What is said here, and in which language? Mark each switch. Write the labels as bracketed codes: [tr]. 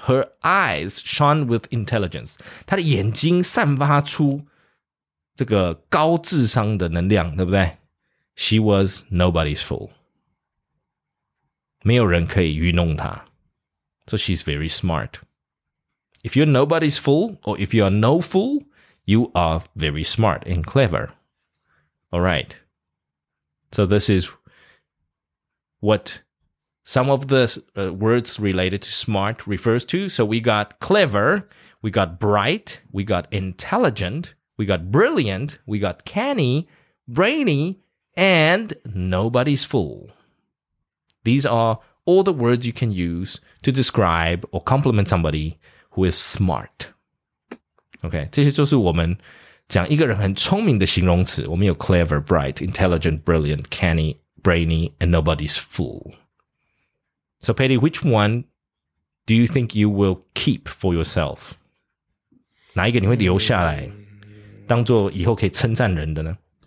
[en] Her eyes shone with intelligence. [zh] 她的眼睛散发出这个高智商的能量，对不对 ？ [en] She was nobody's fool. [zh] 没有人可以愚弄她 [en] ，so she's very smart. If you're nobody's fool, or if you are no fool, You are very smart and clever. All right. So this is what some of the words related to smart refers to. So we got clever, we got bright, we got intelligent, we got brilliant, we got canny, brainy, and nobody's fool. These are all the words you can use to describe or compliment somebody who is smart. [zh] OK, 这些就是我们讲一个人很聪明的形容词。我们有 [en] clever, bright, intelligent, brilliant, canny, brainy, and nobody's fool. So, Patty, which one do you think you will keep for yourself? [zh] 哪一个你会留下来当做以后可以称赞人的呢？